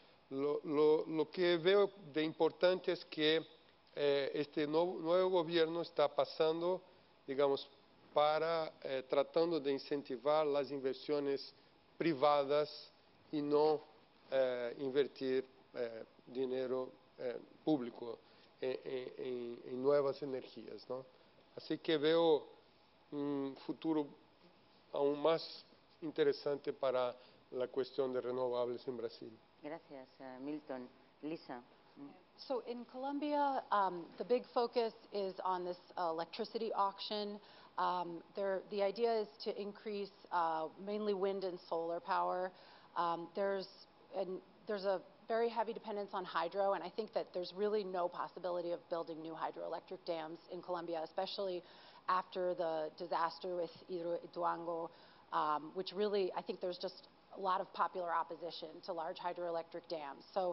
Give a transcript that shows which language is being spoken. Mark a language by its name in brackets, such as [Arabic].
[Spanish] Lo que veo de importante [Portuguese] é que este novo governo está passando, digamos, para tratando de incentivar as inversões privadas e não [Spanish] invertir [Portuguese] dinheiro público em novas energias, né? Assim que [Spanish] veo um futuro aún más interesante para la cuestión de renovables en Brasil. Gracias, Milton. Lisa. [English] So in Colombia, the big focus is on this electricity auction. The idea is to increase mainly wind and solar power. There's a very heavy dependence on hydro, and I think that there's really no possibility of building new hydroelectric dams in Colombia, especially after the disaster with Ituango, which really, I think there's just a lot of popular opposition to large hydroelectric dams.